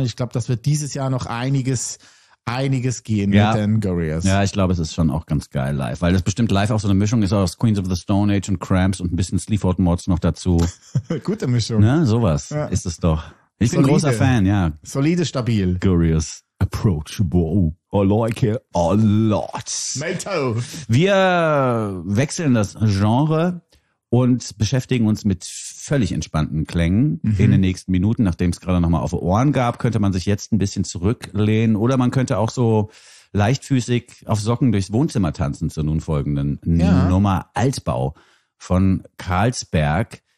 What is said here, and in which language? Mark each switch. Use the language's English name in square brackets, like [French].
[German] Ich glaube, das wird dieses Jahr noch einiges gehen mit den Gurriers. Ja, ich glaube, es ist schon auch ganz geil live, weil das bestimmt live auch so eine Mischung ist aus Queens of the Stone Age und Cramps und ein bisschen Sleaford Mods noch dazu. Gute Mischung. Ne, sowas ist es doch. Ich bin ein großer Fan, ja. Solide, stabil. [English] Gurriers, Approachable. I like it a lot. Mento. [German] Wir wechseln das Genre und beschäftigen uns mit völlig entspannten Klängen in den nächsten Minuten, nachdem es gerade nochmal auf Ohren gab, könnte man sich jetzt ein bisschen zurücklehnen oder man könnte auch so leichtfüßig auf Socken durchs Wohnzimmer tanzen zur nun folgenden Nummer Altbau von Carlsberg.